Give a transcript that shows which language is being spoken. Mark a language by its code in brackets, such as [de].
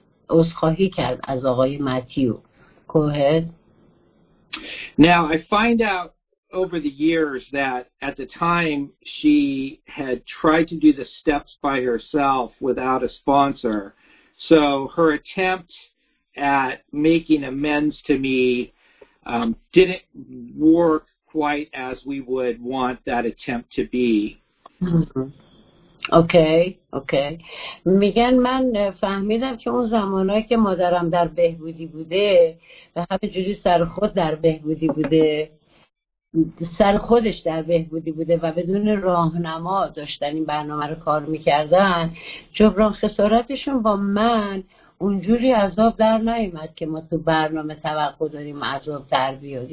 [fa] عذرخواهی کرد از آقای متیو. [en] Go ahead. Now I find out over the years that at the time she had tried to do the steps by herself without a sponsor. So her attempt at making amends to me didn't work quite as we would want that attempt to be. Okay. [fa] میگن من فهمیدم که اون زمانایی که مادرم در بهبودی بوده و حتی جوری سر خود در بهبودی بوده سر خودش در بهبودی بوده و بدون راهنما داشتن این برنامه رو کار میکردن جبران خسارتشون با من اونجوری عذاب در نیومد که ما تو برنامه توقع داریم عذاب در بیاد.